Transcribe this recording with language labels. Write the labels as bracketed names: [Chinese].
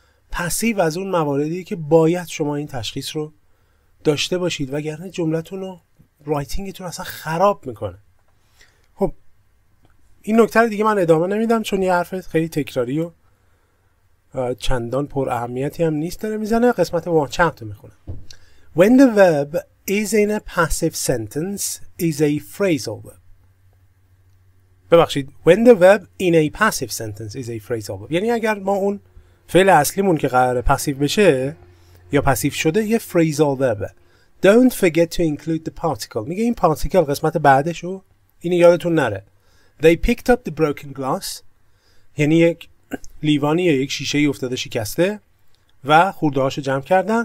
[Persian] پسیو از اون مواردیه که باید شما این تشخیص رو داشته باشید، وگرنه جملتون رو رایتینگتون اصلا خراب میکنه. خب این نکته دیگه من ادامه نمیدم چون یه حرف خیلی تکراری و چندان پر اهمیتی هم نیست داره میزنه. قسمت وان چند تو میخونه. [English] When the verb is in a passive sentence is a phrasal verb. [Persian] ببخشید. [English] When the verb in a passive sentence is a phrasal verb. [Persian] یعنی اگر ما اون فعل اصلیمون که قراره پسیو بشه یا پسیو شده یه phrasal verb. Don't forget to include the particle. میگه این particle قسمت بعدشو اینو یادتون نره. [English] They picked up the broken glass. [Persian] یعنی یک لیوانی یا یک شیشه ای افتاده شکسته و خورده‌هاشو جمع کردن.